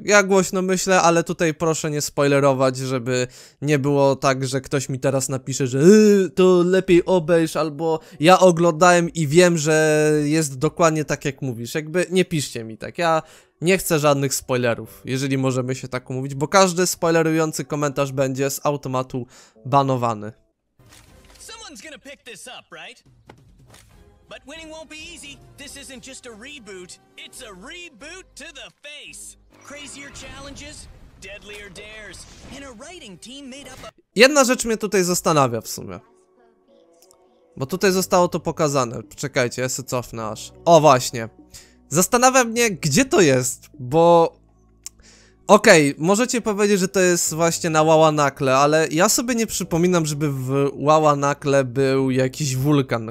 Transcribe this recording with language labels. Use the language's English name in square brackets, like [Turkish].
[Polish] Ja głośno myślę, ale tutaj proszę nie spoilerować, żeby nie było tak, że ktoś mi teraz napisze, że to lepiej obejrz, albo ja oglądałem i wiem, że jest dokładnie tak, jak mówisz. Jakby nie piszcie mi tak. Ja nie chcę żadnych spoilerów, jeżeli możemy się tak umówić, bo każdy spoilerujący komentarz będzie z automatu banowany. [English] one's gonna pick this up, right? But winning won't be easy. This isn't just a reboot. It's a reboot to the face. Crazier challenges, deadlier dares, and a writing team made up of... [Polish] Jedna rzecz mnie tutaj zastanawia w sumie. Bo tutaj zostało to pokazane. Czekajcie, ja se cofnę aż. O, właśnie. Zastanawia mnie, gdzie to jest, bo... Okej, okay, możecie powiedzieć, że to jest właśnie na Wawa Nakle, ale ja sobie nie przypominam, żeby w Wawa Nakle był jakiś wulkan.